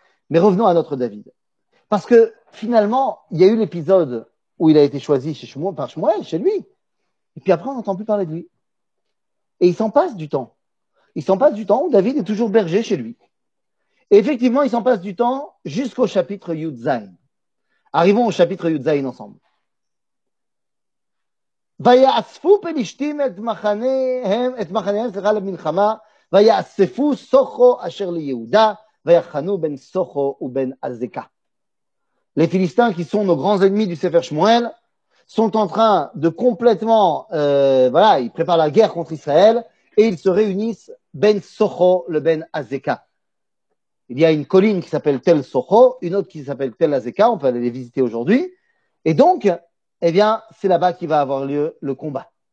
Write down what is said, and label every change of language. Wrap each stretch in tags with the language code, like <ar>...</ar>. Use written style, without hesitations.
<fr>Mais revenons à notre David. Parce que finalement, il y a eu l'épisode où il a été choisi par Shmuel, chez lui. Et puis après, on n'entend plus parler de lui. Et il s'en passe du temps. Il s'en passe du temps où David est toujours berger chez lui. Et effectivement, il s'en passe du temps jusqu'au chapitre Yud-Zayin. Arrivons au chapitre Yud-Zayin ensemble.</fr> <he>ויאספו פלישתים את מחניהם, את מחניהם סליחה למלחמה, ויאספו סוכו אשר ליהודה, ויחנו בין סוכו ובין עזקה.</he> <fr>Les Philistins, qui sont nos grands ennemis du Sefer Shmuel, sont en train de complètement, ils préparent la guerre contre Israël, et ils se réunissent ben Socho, le ben Azeka. Il y a une colline qui s'appelle Tel Socho, une autre qui s'appelle Tel Azeka, on peut aller les visiter aujourd'hui, et donc, eh bien, c'est là-bas qu'il va avoir lieu le combat.</fr>